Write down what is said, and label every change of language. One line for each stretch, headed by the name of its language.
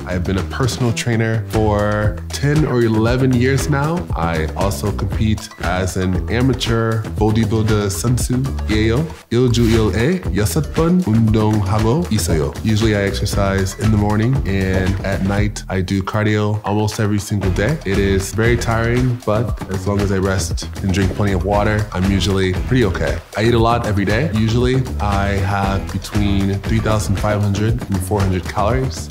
English: I have been a personal trainer for 10 or 11 years now. I also compete as an amateur bodybuilder 선수.
Korean: 일주일에 여섯 번 운동하고 있어요.
English: Usually I exercise in the morning and at night I do cardio almost every single day. It is very tiring, but as long as I rest and drink plenty of water, I'm usually pretty okay. I eat a lot every day. Usually I have between 3,500 and 400 calories.